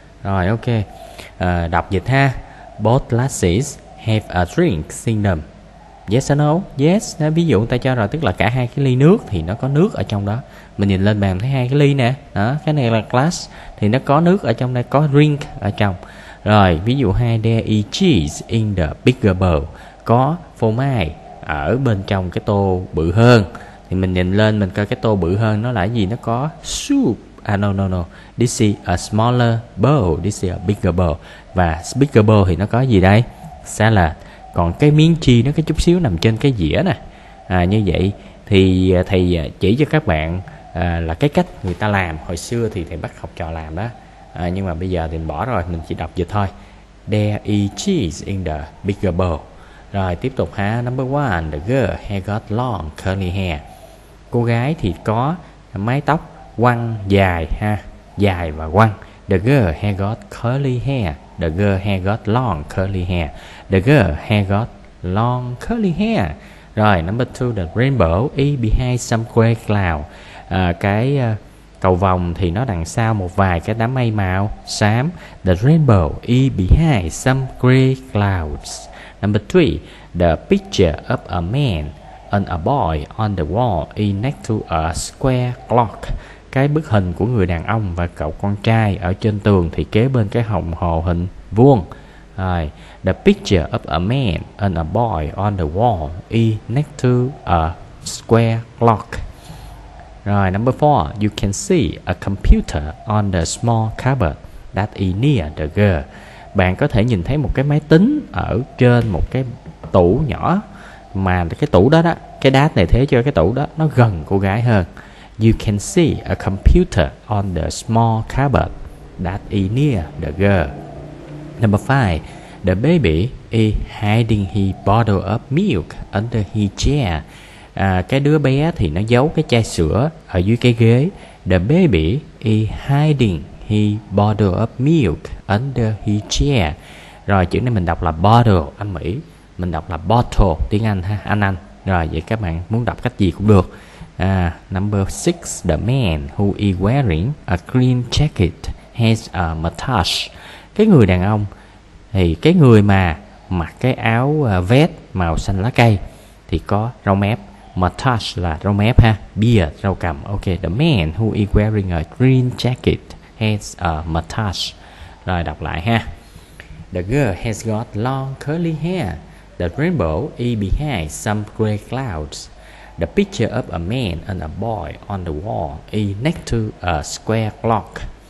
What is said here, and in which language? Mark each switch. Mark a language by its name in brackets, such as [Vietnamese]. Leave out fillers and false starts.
[Vietnamese] Rồi ok, đọc dịch ha. [English] Both classes have a drink in them. Yes or no? Yes. [Vietnamese] Nếu ví dụ người ta cho rồi, tức là cả hai cái ly nước thì nó có nước ở trong đó. Mình nhìn lên bàn thấy hai cái ly nè. Đó, cái này là glass thì nó có nước ở trong đây, có drink ở trong. Rồi ví dụ hai, [English] there is cheese in the bigger bowl. [Vietnamese] Có phô mai ở bên trong cái tô bự hơn. Thì mình nhìn lên mình coi cái tô bự hơn nó là gì, nó có soup. No. [English] This is a smaller bowl. This is a bigger bowl. [Vietnamese] Và bigger bowl thì nó có gì đây? [English] Salad. [Vietnamese] Còn cái miếng chi nó có chút xíu nằm trên cái dĩa nè. Như vậy thì thầy chỉ cho các bạn là cái cách người ta làm. Hồi xưa thì thầy bắt học trò làm đó. Nhưng mà bây giờ thì mình bỏ rồi, mình chỉ đọc dịch thôi. [English] There is cheese in the bigger bowl. [Vietnamese] Rồi tiếp tục ha. [English] Number one, the girl has got long curly hair. [Vietnamese] Cô gái thì có mái tóc quăng dài ha, dài và quăng. [English] The girl has got curly hair. The girl has got long curly hair. The girl has got long curly hair. Rồi number two, the rainbow is behind some gray cloud. [Vietnamese] Cái cầu vồng thì nó đằng sau một vài cái đám mây màu xám. [English] The rainbow is behind some gray clouds. Number three, the picture of a man and a boy on the wall is next to a square clock. [Vietnamese] Cái bức hình của người đàn ông và cậu con trai ở trên tường thì kế bên cái đồng hồ hình vuông. [English] Rồi, the picture of a man and a boy on the wall is next to a square clock. Rồi, number four, you can see a computer on the small cupboard that is near the girl. [Vietnamese] Bạn có thể nhìn thấy một cái máy tính ở trên một cái tủ nhỏ, mà cái tủ đó đó, cái đát này thế cho cái tủ đó nó gần cô gái hơn. [English] You can see a computer on the small cupboard that is near the girl. Number five, the baby is hiding his bottle of milk under his chair. [Vietnamese] Cái đứa bé thì nó giấu cái chai sữa ở dưới cái ghế. [English] The baby is hiding his bottle of milk under his chair. [Vietnamese] Rồi chữ này mình đọc là bottle, âm Mỹ. Mình đọc là bottle, tiếng Anh ha, Anh. Rồi vậy các bạn muốn đọc cách gì cũng được. [English] Number six, the man who is wearing a green jacket has a mustache. [Vietnamese] Cái người đàn ông thì cái người mà mặc cái áo vest màu xanh lá cây thì có râu mép. Mustache là râu mép ha, beard, râu cằm. [English] Ok, the man who is wearing a green jacket has a mustache. [Vietnamese] Rồi đọc lại ha. [English] The girl has got long curly hair. The rainbow is behind some gray clouds. The picture of a man and a boy on the wall is next to a square clock.